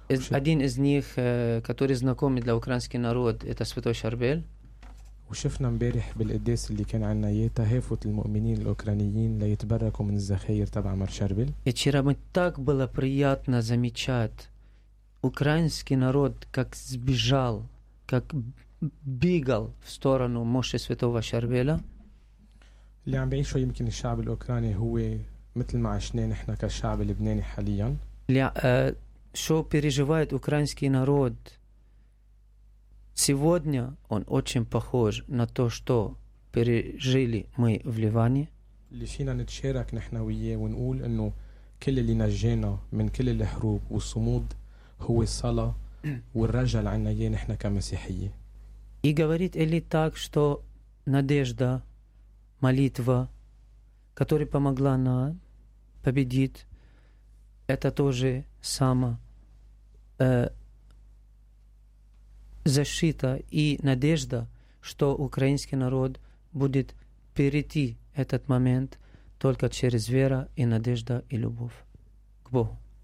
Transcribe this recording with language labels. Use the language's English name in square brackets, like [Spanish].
[Russian] Один из них, который знакомый для украинского народа, это святой Шарбель. [Arabic] وشفنا مبارح بالقداس اللي كان عنا إياه تهافت المؤمنين الأوكرانيين ليتبركوا من الزخير تبع مارشربل. [Russian] Вчера мы так было приятно замечать украинский народ как сбежал, как бегал в сторону мощи святого Шарбеля. [Arabic] اللي عم بعيشه يمكن الشعب الأوكراني هو مثل ما عشناه نحن كشعب لبناني حاليا. [Russian] Что переживает украинский народ Сегодня он очень похож на то, что пережили мы в Ливане. [Arabic] اللي فينا نتشارك نحن وياه ونقول انه كل اللي نجينا من كل الحروب والصمود هو الصلاة والرجاء اللي عنا اياه نحن كمسيحيين. [Russian] И говорит Эли так, что надежда, молитва, которая помогла нам победить, это тоже сама защита и надежда, что украинский народ будет перейти этот момент только через веру и надежду и любовь к Богу.